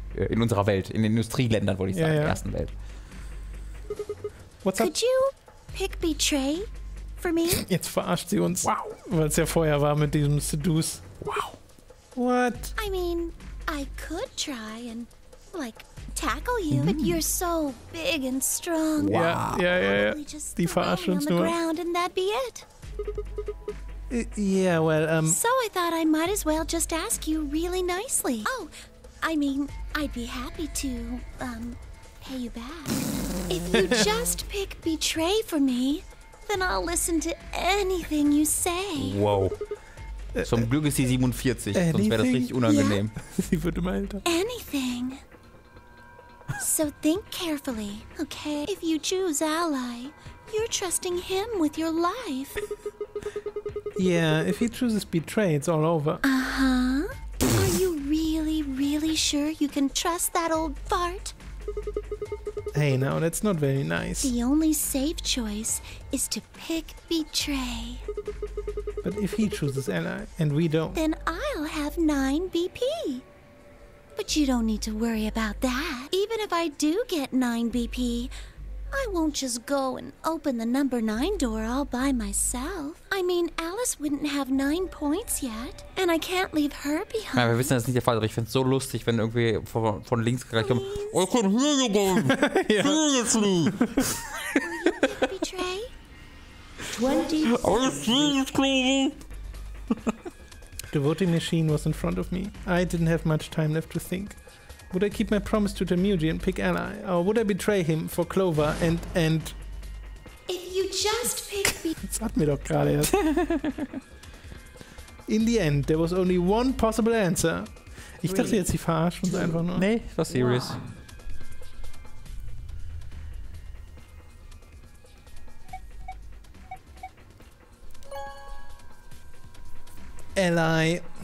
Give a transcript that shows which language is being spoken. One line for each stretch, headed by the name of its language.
German: In unserer Welt, in den Industrieländern, würde ich sagen, in der ersten Welt.
English: What's up? Could you pick Betray for me?
German: Jetzt verarscht sie uns. Wow. Weil es ja vorher war mit diesem Seduce. Wow.
English: What? I mean, I could try and, like, tackle you, but you're so big and strong.
German: Wow. Ja. Die verarscht uns nur.
English: And that'd be it. Yeah, well, So I thought I might as well just ask you really nicely. Oh, I mean, I'd be happy to, pay you back. If you just pick Betray for me, then I'll listen to anything you say. Wow.
German: Zum Glück ist sie 47, sonst wäre das richtig unangenehm. Yeah. Sie wird immer älter.
English: Anything. So think carefully, okay? If you choose Ally, you're trusting him with your life. Yeah, if he chooses Betray, it's all over. Uh-huh. Are you really, really sure you can trust that old fart? Hey, now that's not very nice. The only safe choice is to pick Betray. But if he chooses Ally and we don't, then I'll have 9 BP. But you don't need to worry about that. Even if I do get 9 BP, I won't just go and open the number 9 door all by myself. I mean, Alice wouldn't have 9 points yet, and I can't leave her behind.
German: Nein, wir wissen, das ist nicht der Fall, aber ich find's so lustig, wenn irgendwie von links gleich kommt.
English: I can hear you, boy! Seriously! Will you betray? 20 I see you, crazy! The voting machine was in front of me. I didn't have much time left to think. Would I keep my promise to Temuji and pick Ally? Or would I betray him for Clover and... If you just pick me...
German: Das hat mir doch gerade erst.
English: In the end, there was only one possible answer.
German: Ich dachte jetzt, sie verarscht uns einfach nur. Nee, war serious. Wow.
English: Ally.